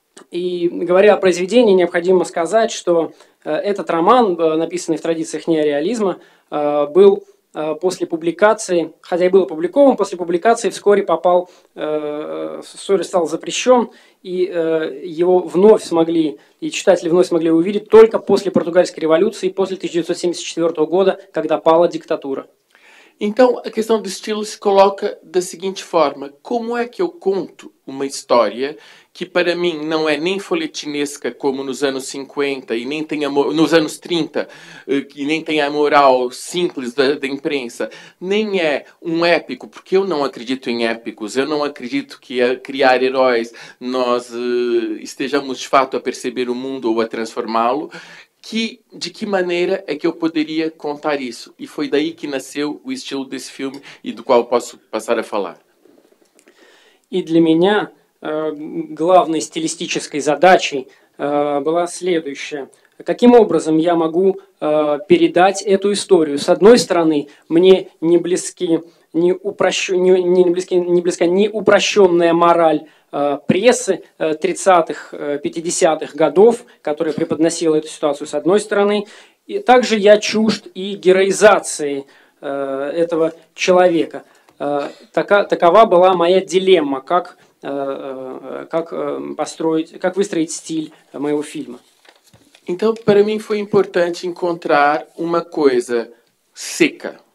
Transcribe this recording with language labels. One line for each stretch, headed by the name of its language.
Russian: И говоря о произведении, необходимо сказать, что этот роман, написанный в традициях неореализма, был после публикации, хотя и был опубликован, после публикации вскоре стал запрещен, и его вновь смогли, и читатели вновь смогли увидеть только после португальской революции, после 1974 года, когда пала диктатура.
Portuguese: Então, a questão do estilo se coloca da seguinte forma: como é que eu conto uma história que para mim não é nem folhetinesca como nos anos 50 e nem tem a, nos anos 30, que nem tem a moral simples da imprensa, nem é um épico, porque eu não acredito em épicos, eu não acredito que a criar heróis nós estejamos de fato a perceber o mundo ou a transformá-lo. Que, de que maneira é que eu poderia contar isso? E foi daí que nasceu o estilo desse filme e do qual posso passar a falar.
Russian: E для меня главной стилистической задачей была следующая. Каким образом я могу передать эту историю? С одной стороны, мне не близки не упрощенная мораль прессы 30-х, 50-х годов, которая преподносила эту ситуацию с одной стороны. И также я чужд и героизации этого человека. Такова была моя дилемма, как выстроить стиль моего фильма.
Portuguese: Então, para mim foi importante encontrar uma coisa seca.